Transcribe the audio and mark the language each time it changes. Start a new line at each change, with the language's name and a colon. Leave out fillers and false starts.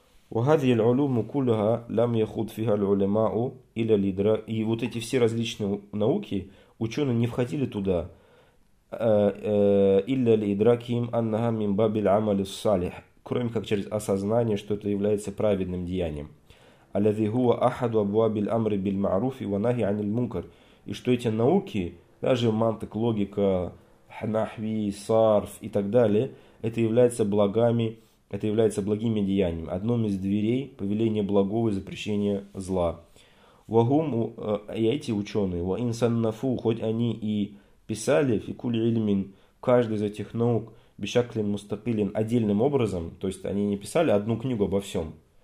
Arabic: وهذه العلوم كلها لم يخوض فيها العلماء إلى لدرجة،
Russian: и вот эти все различные науки ученые не входили туда
Arabic: إلا لإدراكهم أنها من باب العمل الصالح،
Russian: кроме как через осознание, что это является праведным деянием.
Arabic: الذي هو أحد أبواب الأمر بالمعروف ونهي عن المنكر.
Russian: И что эти науки, даже мантык, логика, нахви, сарф и так далее, это является благами, это является благими деяниями, одним из дверей повеления благого и запрещения зла. Вагум, и эти ученые,
Arabic: ва инсаннафу,
Russian: хоть они и писали
Arabic: фикуль ильмин,
Russian: каждый из этих наук,
Arabic: бишаклин мустакилин,
Russian: отдельным образом, то есть они не писали одну книгу обо всем.